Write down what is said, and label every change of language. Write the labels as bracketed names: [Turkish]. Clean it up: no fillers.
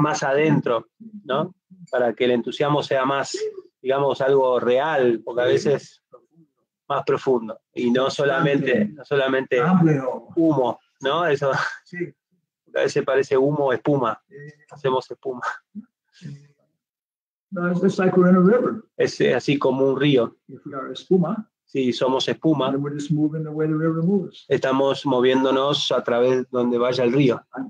[Spanish] más adentro, ¿no? Para que el entusiasmo sea más, digamos, algo real, porque sí. a veces... más profundo y no solamente humo, ¿no? Eso sí. a veces parece humo o espuma, hacemos espuma. [English] No, it's just like we're in a river. [Spanish] Es así como un río. [English] If we are espuma, [Spanish] si somos espuma, [English] then we're just moving the way the river moves. [Spanish] Estamos moviéndonos a través donde vaya el río.